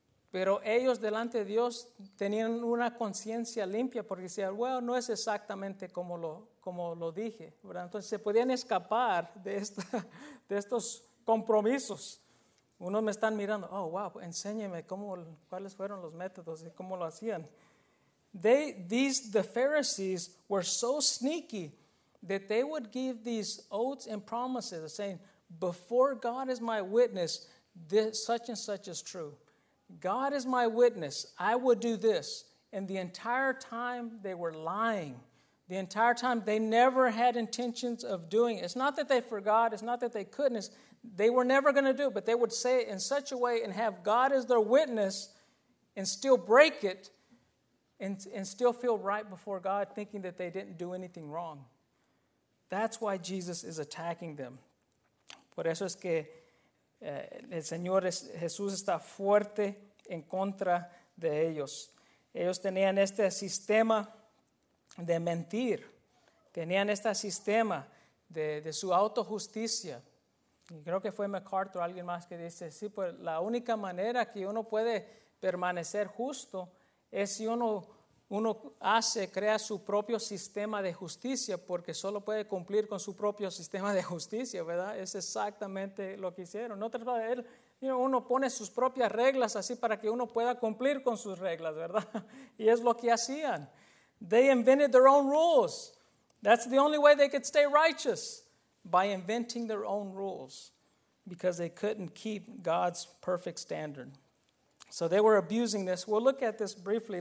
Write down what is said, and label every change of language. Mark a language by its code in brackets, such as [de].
[es] Pero ellos delante de Dios tenían una conciencia limpia porque decían, bueno, no es exactamente como lo dije, ¿verdad? Entonces se podían escapar de estos compromisos. Unos me están mirando, oh, wow, enséñeme cuáles fueron los métodos y cómo lo hacían. [en] The Pharisees were so sneaky that they would give these oaths and promises saying, before God is my witness, this, such and such is true. God is my witness, I would do this. And the entire time they were lying. The entire time they never had intentions of doing it. It's not that they forgot, it's not that they couldn't. They were never going to do it, but they would say it in such a way and have God as their witness and still break it and still feel right before God, thinking that they didn't do anything wrong. That's why Jesus is attacking them. [es] Por eso es que el Señor Jesús está fuerte en contra de ellos. Ellos tenían este sistema de mentir. Tenían este sistema de su autojusticia. Y creo que fue MacArthur o alguien más que dice, sí, pues la única manera que uno puede permanecer justo es si uno hace, crea su propio sistema de justicia, porque solo puede cumplir con su propio sistema de justicia, ¿verdad? Es exactamente lo que hicieron. En otras palabras, uno pone sus propias reglas así para que uno pueda cumplir con sus reglas, ¿verdad? Y es lo que hacían. [en] They invented their own rules. That's the only way they could stay righteous, by inventing their own rules, because they couldn't keep God's perfect standard. So they were abusing this. We'll look at this briefly.